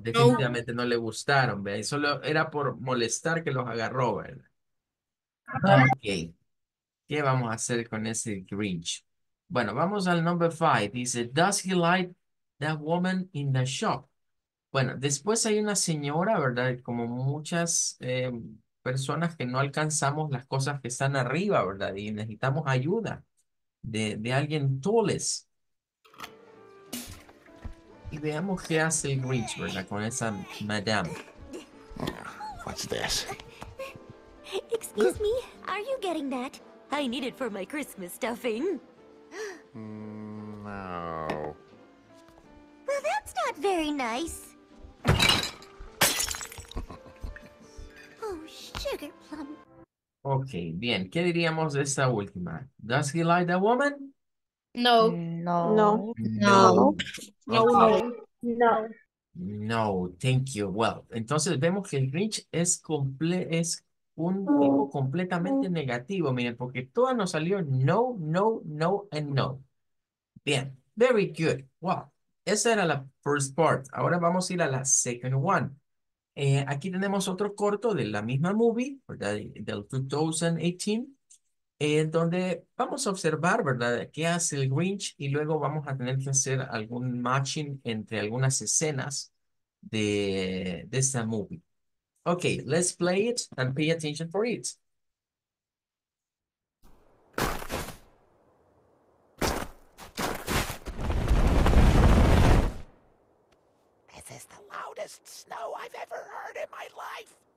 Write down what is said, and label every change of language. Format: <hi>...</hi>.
<es>Definitivamente no le gustaron. ¿Ve? Solo era por molestar que los agarró, ¿verdad? Ok. ¿Qué vamos a hacer con ese Grinch? Bueno, vamos al</es> <en>number five. Dice, does he like that woman in the shop?</en> <es>Bueno, después hay una señora, ¿verdad? Como muchas personas que no alcanzamos las cosas que están arriba, ¿verdad? Y necesitamos ayuda de alguien tallest. Y veamos qué hace Grinch, ¿verdad? Con esa madame.</es> <en>What's this? Excuse me, are you getting that? I need it for my Christmas stuffing. No. Well, that's not very nice. Oh, sugar plum.</en> <es>Okay, bien. ¿Qué diríamos de esta última?</es> <en>Does he like the woman? No. No. No. No. No. No. No. No. Thank you. Well,</en> <es>entonces vemos que el Grinch es un tipo completamente negativo, miren, porque toda nos salió no, no, no, and no. Bien,</es> <en>very good.</en> <es>Wow, esa era la</es> <en>first part.</en> <es>Ahora vamos a ir a la</es> <en>second one.</en> <es>Aquí tenemos otro corto de la misma movie, ¿verdad? Del 2018, en donde vamos a observar, ¿verdad? ¿Qué hace el Grinch? Y luego vamos a tener que hacer algún matching entre algunas escenas de esta movie.</es> <en>Okay, let's play it and pay attention for it. This is the loudest snow I've ever heard in my life.</en>